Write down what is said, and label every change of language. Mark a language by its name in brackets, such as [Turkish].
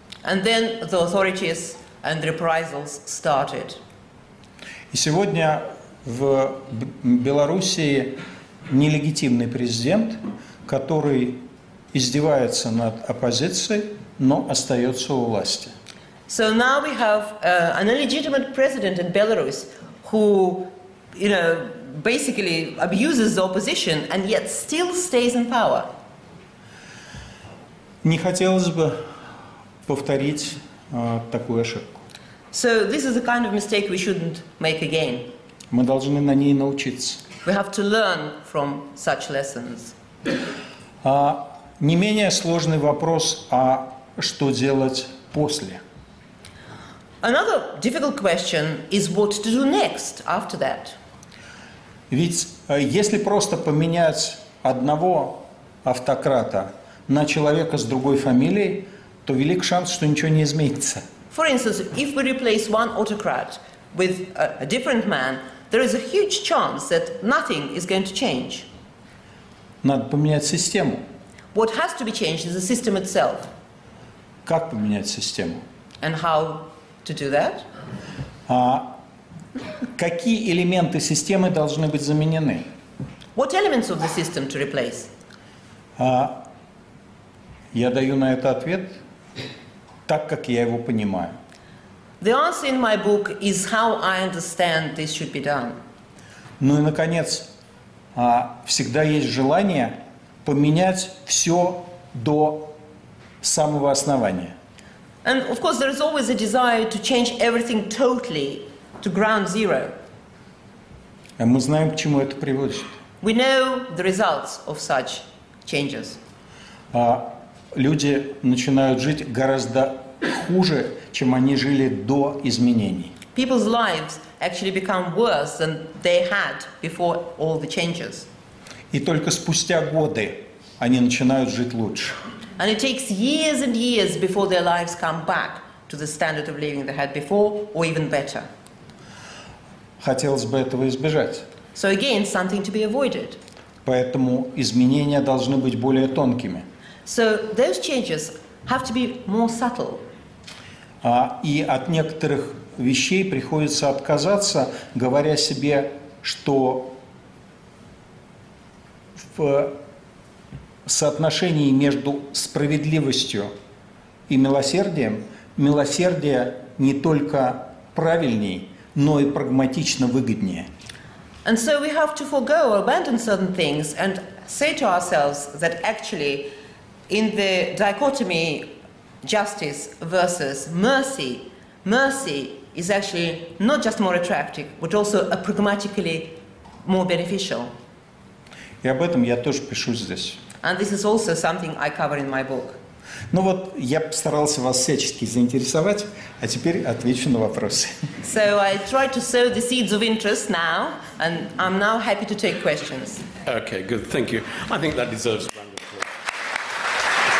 [English] And then the authorities and reprisals started. [Russian] И сегодня в Белоруссии нелегитимный президент, который издевается над оппозицией, но остается у власти. [English] So now we have an illegitimate president in Belarus who, you know, basically abuses the opposition and yet still stays in power. [Russian] Не хотелось бы повторить такую ошибку. [English] So this is the kind of mistake we shouldn't make again. [Russian] Мы должны на ней научиться. [English] We have to learn from such lessons. [Russian] Не менее сложный вопрос, а что делать после? [English] Another difficult question is what to do next after that. [Russian] Ведь если просто поменять одного автократа на человека с другой фамилией, то велик шанс, что ничего не изменится. [English] For instance, if we replace one autocrat with a different man, there is a huge chance that nothing is going to change. [Russian] Надо поменять систему. [English] What has to be changed is the system itself. [Russian] Как поменять систему? [English] And how to do that? [Russian] Какие элементы системы должны быть заменены? [English] What elements of the system to replace? [Russian] Я даю на это ответ так, как я его понимаю. [English] The answer in my book is how I understand this should be done. [Russian] Ну и наконец, всегда есть желание поменять все до самого основания. [English] And of course there is always a desire to change everything totally. To ground zero. [Russian] А мы знаем, к чему это приводит. [English] We know the results of such changes. [Russian] Люди начинают жить гораздо хуже, чем они жили до изменений. [English] People's lives actually become worse than they had before all the changes. [Russian] И только спустя годы они начинают жить лучше. [English] And it takes years and years before their lives come back to the standard of living they had before, or even better. [Russian] Хотелось бы этого избежать. [English] So again, something to be avoided. [Russian] Поэтому изменения должны быть более тонкими. [English] So those changes have to be more subtle. [Russian] И от некоторых вещей приходится отказаться, говоря себе, что в соотношении между справедливостью и милосердием, милосердие не только правильней, но и прагматично выгоднее. [English] And so we have to forego or abandon certain things and say to ourselves that actually in the dichotomy justice versus mercy, mercy is actually not just more attractive, but also a pragmatically more beneficial. [Russian] И об этом я тоже пишу здесь. [English] And this is also something I cover in my book. [Russian] Ну вот, я постарался вас всячески заинтересовать, а теперь отвечу на вопросы. [English] So I tried to sow the seeds of interest now, and I'm now happy to take questions. Okay, good, thank you. I think that deserves a round of applause.